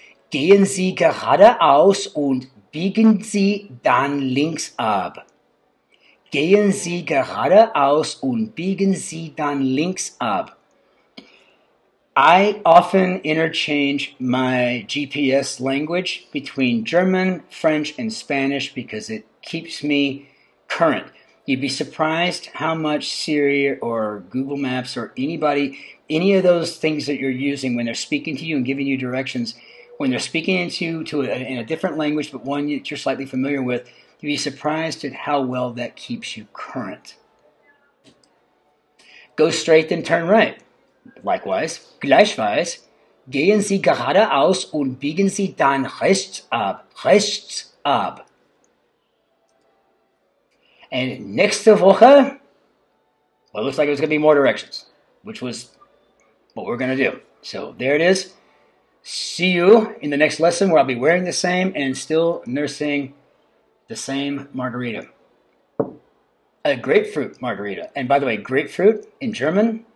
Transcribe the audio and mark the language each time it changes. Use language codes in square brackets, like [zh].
[de] Gehen Sie geradeaus und biegen Sie dann links ab. Gehen Sie geradeaus und biegen Sie dann links ab. [en] I often interchange my GPS language between German, French, and Spanish because it keeps me current. You'd be surprised how much Siri or Google Maps or anybody, any of those things that you're using when they're speaking to you and giving you directions, when they're speaking in a different language, but one that you're slightly familiar with, you'd be surprised at how well that keeps you current. Go straight and turn right. Likewise, [de] gleichweise, gehen Sie geradeaus und biegen Sie dann rechts ab. Rechts ab. [en] And [de] nächste Woche, [en] well, it looks like it was going to be more directions, which was what we're going to do. So there it is. See you in the next lesson where I'll be wearing the same and still nursing the same margarita. A grapefruit margarita. And by the way, grapefruit in German